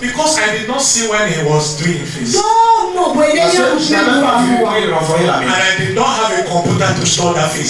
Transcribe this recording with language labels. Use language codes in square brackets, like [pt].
[en] Because I did not see when he was doing this. [fr] Non, non, je n'ai même pas vu quand il renvoyait la main. [en] And I did not have a computer to store that face.